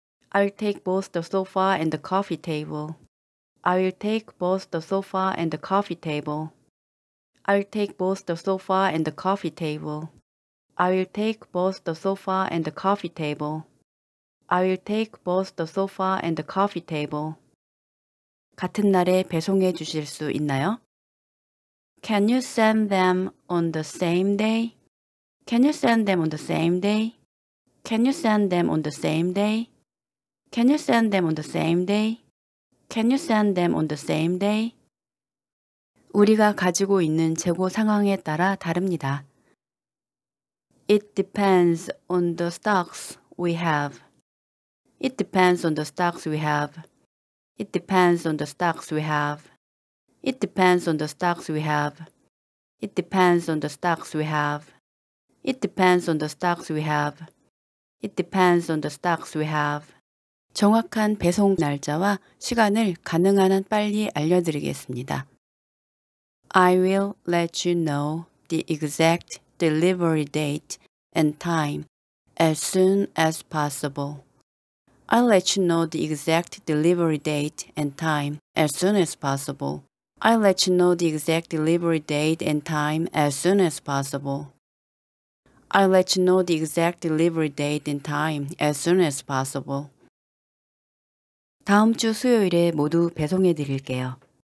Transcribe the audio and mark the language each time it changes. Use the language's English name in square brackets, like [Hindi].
[English] I'll take both the sofa and the coffee table. I will take both the sofa and the coffee table. I'll take both the sofa and the coffee table. I will take both the sofa and the coffee table. I will take both the sofa and the coffee table. [Korean] 같은 날에 배송해 주실 수 있나요? [English] Can you send them on the same day? Can you send them on the same day? Can you send them on the same day? Can you send them on the same day? Can you send them on the same day? [Korean] 우리가 가지고 있는 재고 상황에 따라 다릅니다. [English] It depends on the stocks we have. It depends on the stocks we have. It depends on the stocks we have. It depends on the stocks we have. It depends on the stocks we have. It depends on the stocks we have. It depends on the stocks we have. [Korean] 정확한 배송 날짜와 시간을 가능한 한 빨리 알려드리겠습니다. [English] I will let you know the exact delivery date and time as soon as possible. I'll let you know the exact delivery date and time as soon as possible. I'll let you know the exact delivery date and time as soon as possible. I'll let you know the exact delivery date and time as soon as possible. [Korean] 다음 주 수요일에 모두 배송해 드릴게요.